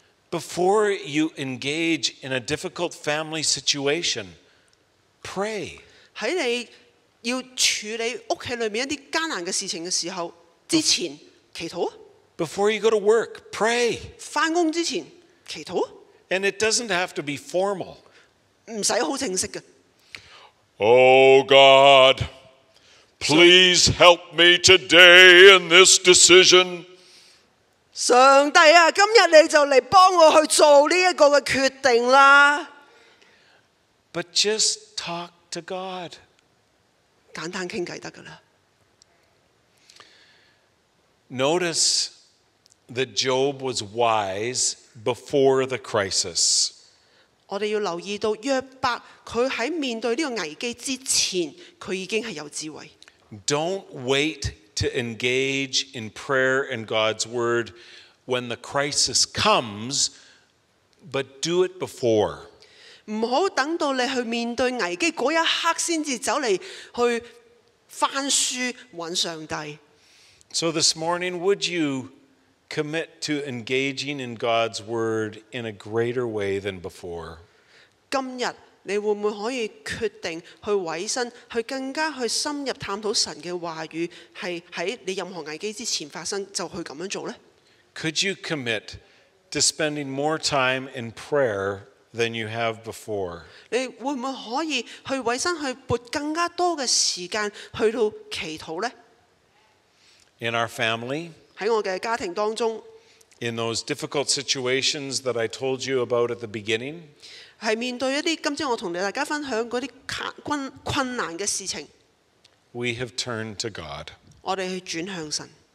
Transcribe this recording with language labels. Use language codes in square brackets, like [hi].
[en] Before you engage in a difficult family situation, pray. [yue] 在你要处理屋企里面一啲艰难嘅事情嘅时候，之前祈祷。 [en] Before you go to work, pray. [yue] 翻工之前祈祷。 [en] And it doesn't have to be formal. [yue] 唔使好正式嘅。 [en] Oh God, please help me today in this decision. [yue] 上帝啊，今日你就嚟帮我去做呢一个嘅决定啦。 [en] But just talk to God. [yue] 简单倾偈得噶啦。 [en] Notice that Job was wise before the crisis. [yue] 我哋要留意到约伯佢喺面对呢个危机之前，佢已经系有智慧。 [en] Don't wait to engage in prayer and God's word. When the crisis comes, but do it before. [yue] 唔好等到你去面对危机嗰一刻先至走嚟去翻书揾上帝。 [en] So this morning, would you commit to engaging in God's word in a greater way than before? [yue] 今日你会唔会可以决定去委身，去更加去深入探讨神嘅话语，系喺你任何危机之前发生就去咁样做咧？ [en] Could you commit to spending more time in prayer than you have before? [yue] 你会唔会可以去委身去拨更加多嘅时间去到祈祷咧 [en] ？In our family, [yue] 喺我嘅家庭当中 [en] ，in those difficult situations that I told you about at the beginning, [yue] 系面对一啲今朝我同你大家分享嗰啲困难嘅事情 [en] ，we have turned to God. [yue] 我哋去转向神。